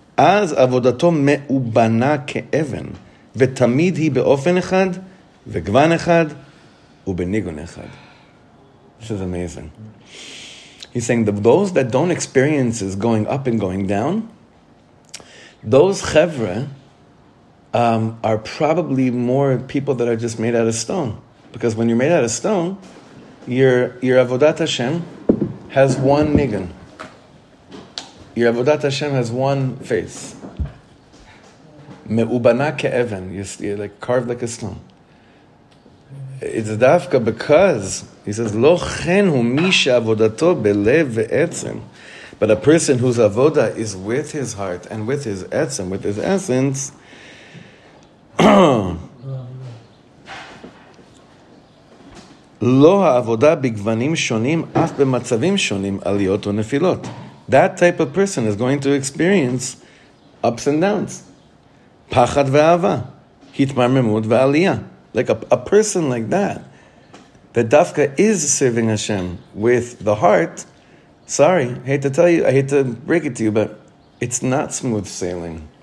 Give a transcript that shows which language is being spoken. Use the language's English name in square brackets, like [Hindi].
[Hebrew] אז עבודתו מאובנה כאבן, ותמיד היא באופן אחד, וגוון אחד, ובניגון אחד. [English] This is amazing. He's saying that those that don't experience is going up and going down, those chevre are probably more people that are just made out of stone. Because when you're made out of stone, your avodat Hashem has one nigun. Your avodat Hashem has one face. [Hebrew] Me'ubana ke'evan. [English] You're like carved like a stone. It's dafka because, he says, [Hebrew] lo chen hu mi she'avodato belev ve'etzem. [English] But a person whose avoda is with his heart and with his etzem, with his essence, [Hebrew] לא העבודה בגוונים שונים אף במצבים שונים עליות ונפילות. [English] That type of person is going to experience ups and downs. [Hebrew] פחד ואהבה. התמרממות ועלייה. [English] Like a person like that, that דווקא is serving Hashem with the heart. Sorry, I hate to break it to you, but it's not smooth sailing.